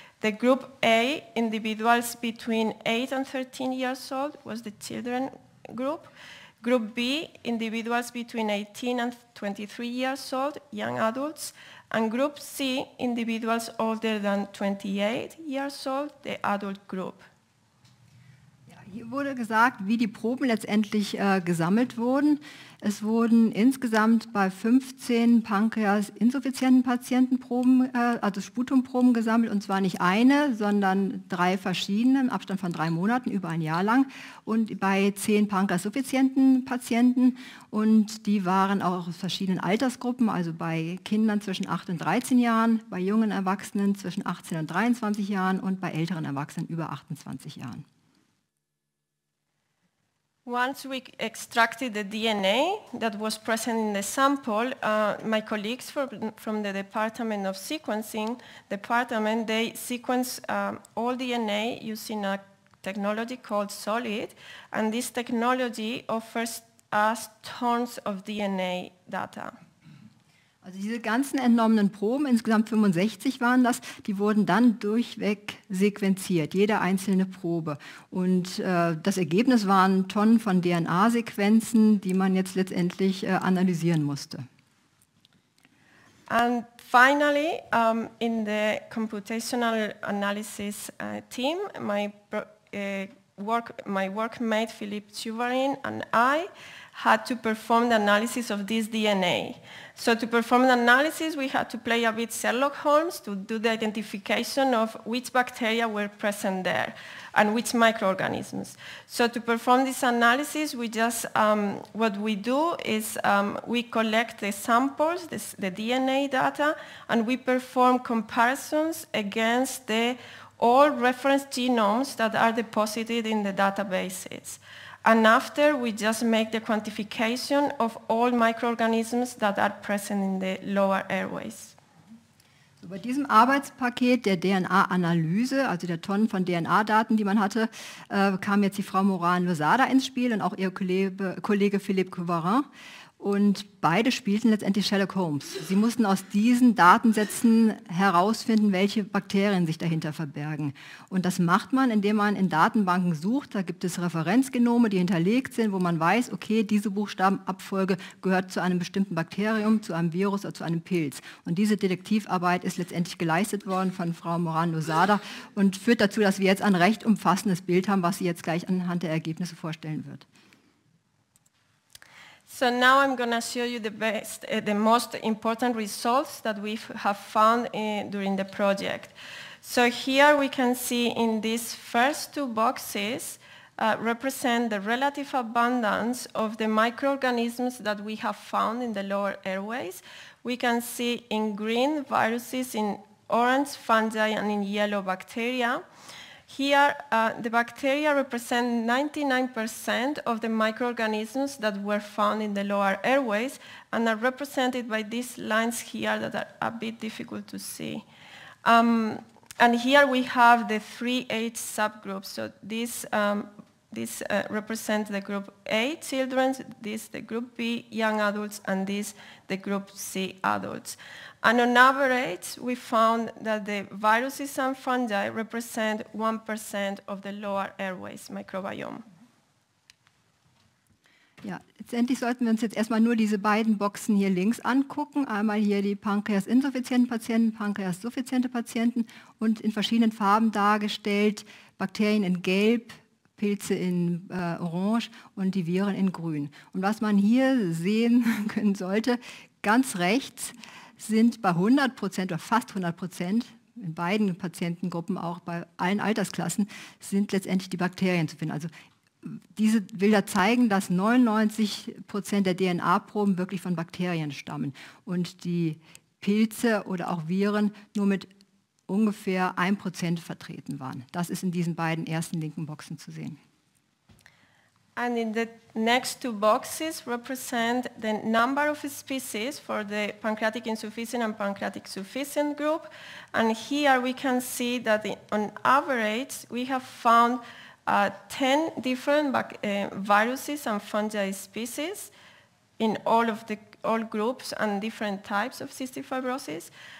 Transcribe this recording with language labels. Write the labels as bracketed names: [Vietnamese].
[English] The group A, individuals between 8 and 13 years old, was the children group. Group B, individuals between 18 and 23 years old, young adults. And group C, individuals older than 28 years old, the adult group. [German] Ja, hier wurde gesagt, wie die Proben letztendlich gesammelt wurden. Es wurden insgesamt bei 15 pankreasinsuffizienten Patienten Proben, also Sputumproben gesammelt, und zwar nicht eine, sondern 3 verschiedene, im Abstand von 3 Monaten, über ein Jahr lang, und bei 10 pankreasinsuffizienten Patienten, und die waren auch aus verschiedenen Altersgruppen, also bei Kindern zwischen 8 und 13 Jahren, bei jungen Erwachsenen zwischen 18 und 23 Jahren und bei älteren Erwachsenen über 28 Jahren. [English] Once we extracted the DNA that was present in the sample, my colleagues from the Department of Sequencing, they sequenced all DNA using a technology called SOLID, and this technology offers us tons of DNA data. [German] Also diese ganzen entnommenen Proben, insgesamt 65 waren das, die wurden dann durchweg sequenziert, jede einzelne Probe. Und das Ergebnis waren Tonnen von DNA-Sequenzen, die man jetzt letztendlich analysieren musste. [English] And finally, in the computational analysis team, my workmate Philip Tuvarin and I had to perform the analysis of this DNA. So to perform the analysis, we had to play a bit Sherlock Holmes to do the identification of which bacteria were present there and which microorganisms. So to perform this analysis, we just what we do is we collect the samples, the DNA data, and we perform comparisons against all reference genomes that are deposited in the databases. And after, we just make the quantification of all microorganisms that are present in the lower airways. [German] So bei diesem Arbeitspaket der DNA-Analyse, also der Tonnen von DNA-Daten, die man hatte, kam jetzt die Frau Moran-Losada ins Spiel und auch ihr Kollege Philippe Couvarin. Und beide spielten letztendlich Sherlock Holmes. Sie mussten aus diesen Datensätzen herausfinden, welche Bakterien sich dahinter verbergen. Und das macht man, indem man in Datenbanken sucht. Da gibt es Referenzgenome, die hinterlegt sind, wo man weiß, okay, diese Buchstabenabfolge gehört zu einem bestimmten Bakterium, zu einem Virus oder zu einem Pilz. Und diese Detektivarbeit ist letztendlich geleistet worden von Frau Moran-Losada und führt dazu, dass wir jetzt ein recht umfassendes Bild haben, was sie jetzt gleich anhand der Ergebnisse vorstellen wird. [English] So now I'm going to show you the most important results that we have found during the project. So here we can see in these first two boxes represent the relative abundance of the microorganisms that we have found in the lower airways. We can see in green viruses, in orange fungi, and in yellow bacteria. Here, the bacteria represent 99% of the microorganisms that were found in the lower airways and are represented by these lines here that are a bit difficult to see. And here we have the three age subgroups. So this represents the group A children, this the group B young adults, and this the group C adults. And on average, we found that the viruses and fungi represent 1% of the lower airways microbiome. [German] Ja, letztendlich sollten wir uns jetzt erstmal nur diese beiden Boxen hier links angucken. Einmal hier die pankreasinsuffizienten Patienten, pankreassuffiziente Patienten und in verschiedenen Farben dargestellt, Bakterien in Gelb, Pilze in Orange und die Viren in Grün. Und was man hier sehen können sollte, ganz rechts sind bei 100% oder fast 100%, in beiden Patientengruppen, auch bei allen Altersklassen, sind letztendlich die Bakterien zu finden. Also diese Bilder zeigen, dass 99% der DNA-Proben wirklich von Bakterien stammen und die Pilze oder auch Viren nur mit ungefähr 1% vertreten waren. Das ist in diesen beiden ersten linken Boxen zu sehen. [English] And in the next two boxes represent the number of species for the pancreatic insufficient and pancreatic sufficient group. And here we can see that on average we have found 10 different viruses and fungi species in all groups and different types of cystic fibrosis.